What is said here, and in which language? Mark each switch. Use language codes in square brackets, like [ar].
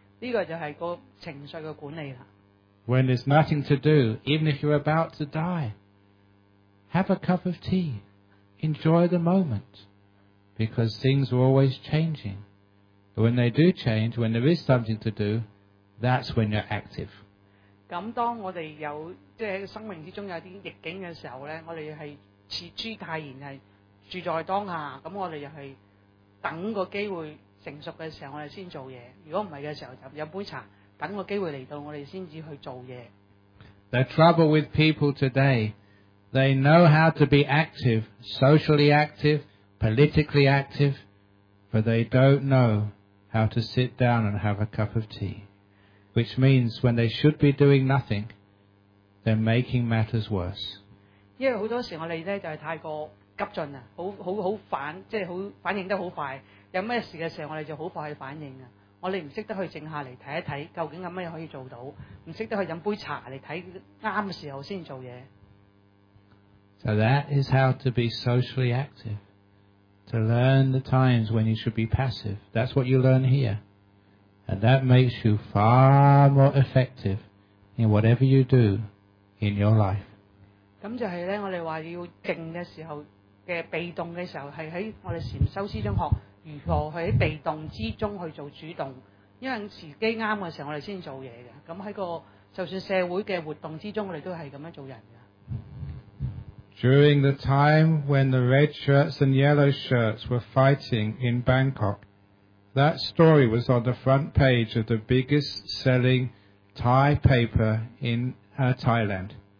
[yue] 呢個就係個情緒嘅管理啦。 [en] When there's nothing to do, even if you're about to die, have a cup of tea, enjoy the moment, because things are always changing. When they do change, when there is something to do, that's when you're active. [yue] 咁當我哋有即係生命之中有啲逆境嘅時候咧，我哋係持之泰然，係住在當下。咁我哋又係等個機會成熟嘅時候，我哋先做嘢。如果唔係嘅時候，就飲杯茶，等個機會嚟到，我哋先至去做嘢。 [en] The trouble with people today, they know how to be active, socially active, politically active. But they don't know how to sit down and have a cup of tea, which means when they should be doing nothing, they're making matters worse. [yue] 因為好多時我哋咧就係太過急進啊，好反，即係好反應得好快。有咩事嘅時候，我哋就好快去反應啊。我哋唔識得去靜下嚟睇一睇，究竟有乜嘢可以做到？唔識得去飲杯茶嚟睇啱嘅時候先做嘢。 [en] So that is how to be socially active. To learn the times when you should be passive. That's what you learn here. And that makes you far more effective in whatever you do in your life. [yue] 咁就係呢，我哋話要靜嘅時候嘅被動嘅時候，係喺我哋禅修之中學如何喺被動之中去做主動。因為時機啱嘅時候，我哋先做嘢嘅。咁喺個就算社會嘅活動之中，我哋都係咁樣做人。 [en] During the time when the red shirts and yellow shirts were fighting in Bangkok, that story was on the front page of the biggest selling Thai paper in Thailand.